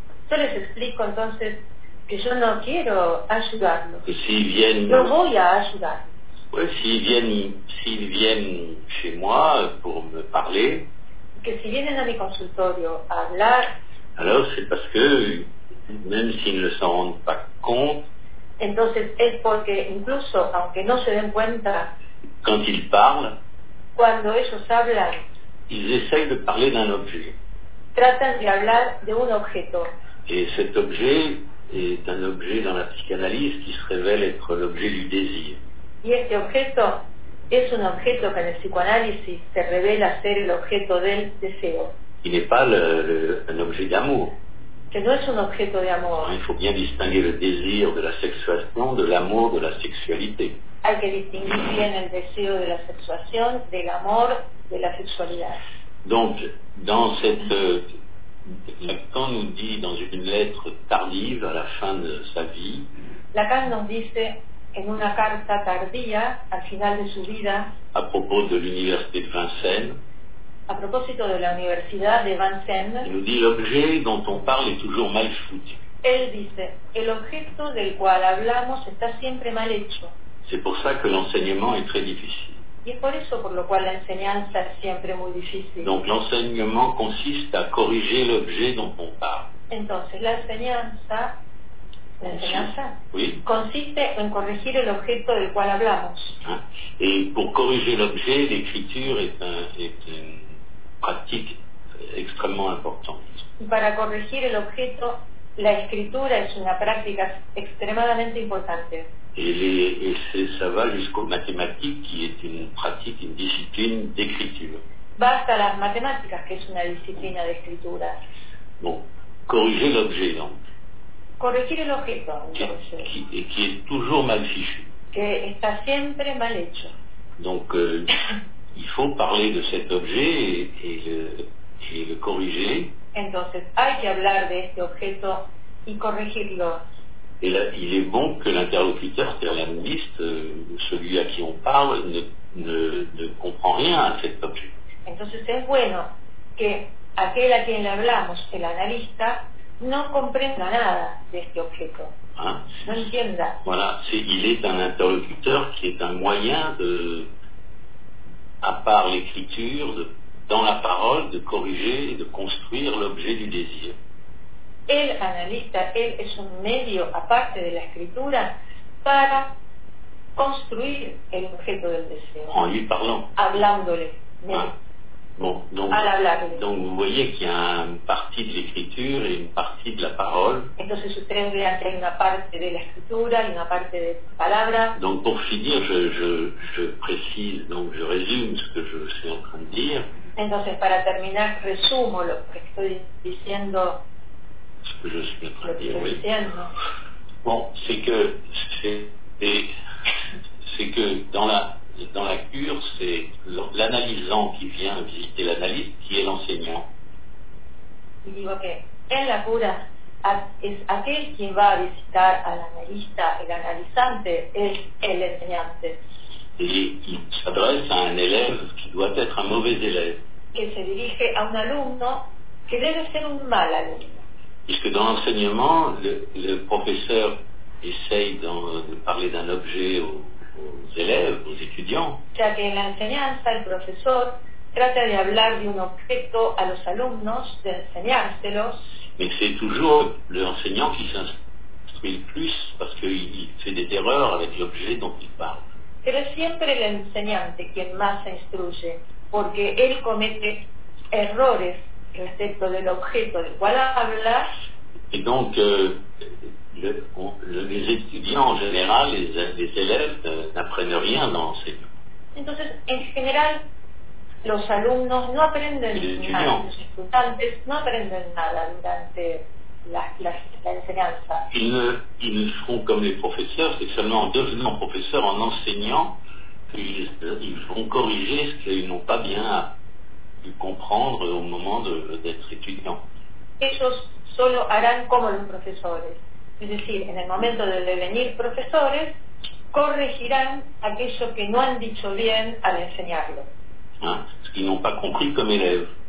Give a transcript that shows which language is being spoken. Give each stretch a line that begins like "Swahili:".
Spanish: Yo les explico entonces que yo no quiero ayudarlos. No voy a ayudar.
French: Ouais, s'ils viennent chez moi pour me parler.
Spanish: Que si vienen a mi consultorio a hablar.
French: Alors c'est parce que même s'ils ne s'en rendent pas compte.
Spanish: Entonces es porque incluso aunque no se den cuenta.
French: Quand ils parlent.
Spanish: Cuando ellos hablan.
French: Ils essayent de parler d'un objet.
Spanish: Tratan de hablar de un objeto.
French: Et cet objet est un objet dans la psychanalyse qui se révèle être l'objet du désir.
Spanish: Y este objeto es un objeto que en el psicoanálisis se revela ser el objeto del deseo.
French: Il n'est pas un objet d'amour.
Spanish: Que no es un objeto de amor.
French: Il faut bien distinguer le désir de la sexuation, de l'amour, de la sexualité.
Spanish: Hay que distinguir bien el deseo de la sexuación, del amor, de la sexualidad.
French: Donc, dans cette... Lacan nous dit dans une lettre tardive à la fin de sa vie. Lacan nous dit
Spanish: en une carta tardía al final de su vida.
French: À propos de l'université de Vincennes.
Spanish: A propósito de la universidad de Vincennes.
French: Il nous dit l'objet dont on parle est toujours mal foutu.
Spanish: Él dice el objeto del cual hablamos está siempre mal hecho.
French: C'est pour ça que l'enseignement est très difficile.
Spanish: Y es por eso por lo cual la enseñanza es siempre muy difícil.
French: Donc l'enseignement consiste à corriger l'objet dont on parle.
Spanish: Entonces la enseñanza la enseñanza,
French: oui.
Spanish: consiste en corregir el objeto del cual hablamos. Ah.
French: Et pour corriger l'objet, l'écriture est un, est une pratique extrêmement importante.
Spanish: Para corregir el objeto, la escritura es una práctica extremadamente importante.
French: Et ça va jusqu'aux mathématiques, qui est une pratique, une discipline d'écriture.
Spanish: Va hasta las matemáticas, que es una disciplina de escritura.
French: Bon, corriger l'objet, donc.
Spanish: Corregir el objeto, entonces.
French: Qui est toujours mal fichu.
Spanish: Que está siempre mal hecho.
French: Donc, il faut parler de cet objet et le corriger.
Spanish: Entonces, hay que hablar de este objeto y corregirlo.
French: Et là, il est bon que l'interlocuteur, c'est-à-dire la ministre, celui à qui on parle, ne comprend rien à cet objet.
Spanish: Entonces es bueno que aquel a quien le hablamos, el analista, no comprenda nada de este objeto.
French: Hein?
Spanish: No entienda.
French: Voilà, il est un interlocuteur qui est un moyen de, à part l'écriture, dans la parole, de corriger et de construire l'objet du désir.
Spanish: El analista, él es un medio, aparte de la escritura, para construir el objeto del deseo.
French: En lui parlant.
Spanish: Hablándole.
French: Bon, donc vous voyez qu'il y a une partie de l'écriture et une partie de la parole.
Spanish: Entonces ustedes vean que hay una parte de la escritura y una parte de la palabra.
French: Donc pour finir, je précise, donc je résume ce que je suis en train de dire.
Spanish: Entonces para terminar, resumo lo que estoy diciendo.
French: Ce que je suis en train de dire, oui. Bon, c'est que dans la cure, c'est l'analysant qui vient visiter l'analyste qui est l'enseignant. Il dit ok.
Spanish: En la cura, es aquel quien va a visitar al analista, el analizante es el enseñante.
French: Et il s'adresse à un élève qui doit être un mauvais élève.
Spanish: Que se dirige a un alumno que debe ser un mal alumno.
French: Puisque dans l'enseignement, le professeur essaye de parler d'un objet aux élèves, aux étudiants.
Spanish: Ya que en la enseñanza, el profesor trata de hablar de un objeto a los alumnos, de enseñárselos.
French: Mais c'est toujours l'enseignant qui s'instruit le plus parce qu'il fait des erreurs avec l'objet dont il parle.
Spanish: Pero siempre el enseñante quien más se instruye porque él comete errores respecto del objeto del cual habla.
French: Et donc, les étudiants en général, les élèves n'apprennent rien dans l'enseignement.
Spanish: Entonces, en general, los alumnos no aprenden nada.
French: Les étudiants
Spanish: no aprenden nada durante la enseñanza.
French: Ils ne font comme les professeurs, c'est seulement en devenant professeurs, en enseignant, qu'ils vont corriger ce qu'ils n'ont pas bien pu comprendre au moment d'être étudiant.
Spanish: Ellos solo harán como los profesores. Es decir, en el momento de devenir profesores, corregirán aquello que no han dicho bien al enseñarlo.
French: Ce qu'ils n'ont pas compris comme élèves.